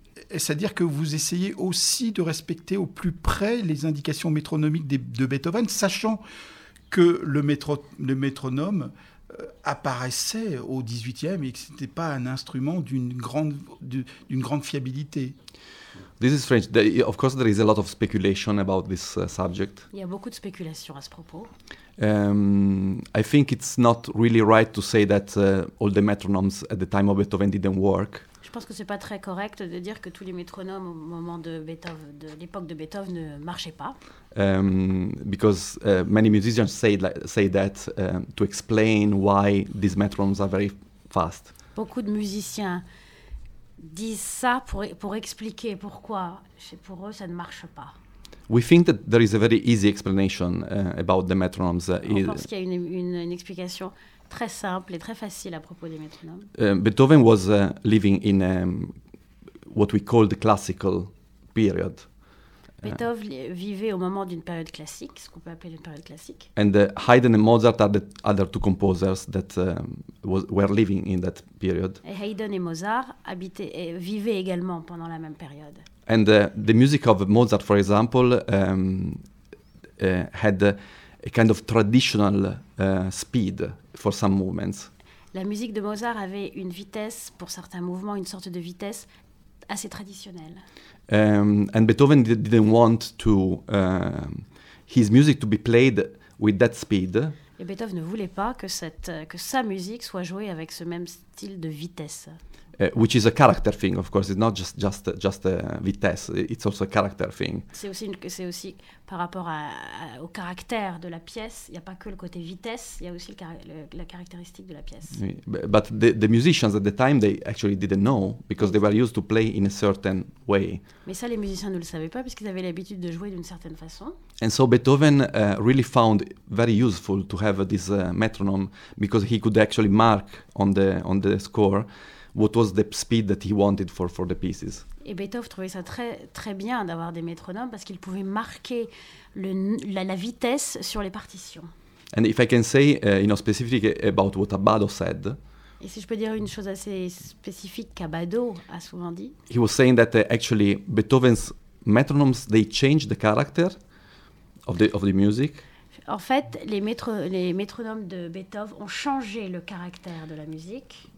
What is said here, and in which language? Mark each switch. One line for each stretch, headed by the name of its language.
French: Est-ce à dire que vous essayez aussi de respecter au plus près les indications métronomiques de Beethoven, sachant que le métronome apparaissait au 18e et que ce n'était pas un instrument d'une grande fiabilité?
English: This is strange. Of course, there is a lot of speculation about this subject.
French: Il y a beaucoup de spéculation à ce propos.
English: I think it's not really right to say that all the metronomes at the time of Beethoven didn't work.
French: Je pense que c'est pas très correct de dire que tous les métronomes au moment de Beethoven, de l'époque de Beethoven, ne marchaient pas.
English: Because many musicians say that to explain why these metronomes are very fast.
French: Beaucoup de musiciens disent ça pour expliquer pourquoi pour eux ça ne marche pas.
English: We think that there is a very easy explanation about the metronomes.
French: On pense qu'il y a une explication très simple et très facile à propos des métronomes.
English: Beethoven was living in what we call the classical period.
French: Beethoven vivait au moment d'une période classique, ce qu'on peut appeler une période classique.
English: And Haydn and Mozart are the other two composers that were living in that period.
French: Et Haydn et Mozart vivaient également pendant la même période.
English: And the music of Mozart, for example, had a kind of traditional speed for some movements.
French: La musique de Mozart avait une vitesse pour certains mouvements, une sorte de vitesse assez traditionnelle.
English: And Beethoven didn't want to his music to be played with that speed.
French: Et Beethoven ne voulait pas que sa musique soit jouée avec ce même style de vitesse.
English: Which is a character thing, of course. It's not just a vitesse. It's also a character thing.
French: C'est aussi par rapport au caractère de la pièce. Il n'y a pas que le côté vitesse. Il y a aussi la caractéristique de la pièce. Oui.
English: But the musicians at the time, they actually didn't know because they were used to play in a certain way.
French: Mais ça, les musiciens ne le savaient pas puisqu'ils avaient l'habitude de jouer d'une certaine façon.
English: And so Beethoven really found very useful to have this metronome because he could actually mark on the score what was the speed that he wanted for the pieces.
French: Et Beethoven trouvait ça très très bien d'avoir des métronomes parce qu'il pouvait marquer la vitesse sur les partitions.
English: And if I can say specifically about what Abbado said.
French: Et si je peux dire une chose assez spécifique qu'Abbado a souvent dit.
English: He was saying that actually Beethoven's metronomes, they changed the character of the music.
French: En fait, les métronomes de Beethoven ont changé le caractère de la musique.